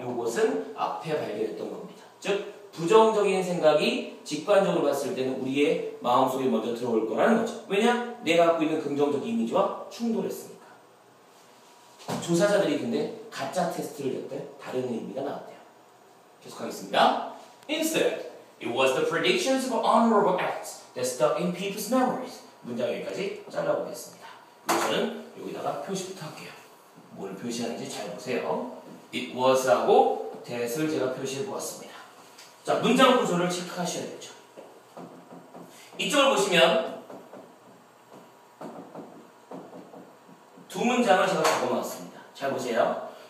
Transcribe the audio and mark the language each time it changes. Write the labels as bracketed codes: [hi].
[ko] 요것은 앞에 발견했던 겁니다. 즉, 부정적인 생각이 직관적으로 봤을 때는 우리의 마음속에 먼저 들어올 거라는 거죠. 왜냐? 내가 갖고 있는 긍정적 이미지와 충돌했으니까. 조사자들이 근데 가짜 테스트를 했대 다른 의미가 나왔대요. 계속하겠습니다. [en] Instead, it was the predictions of honorable acts that stuck in people's memories. [ko] 문장 여기까지 잘라보겠습니다. 이것은 여기다가 표시부터 할게요. 뭘 표시하는지 잘 보세요. It was 하고 that을 제가 표시해 보았습니다. 자, 문장 구조를 체크하셔야 되죠. 이쪽을 보시면 두 문장을 제가 적어놨습니다. 잘 보세요.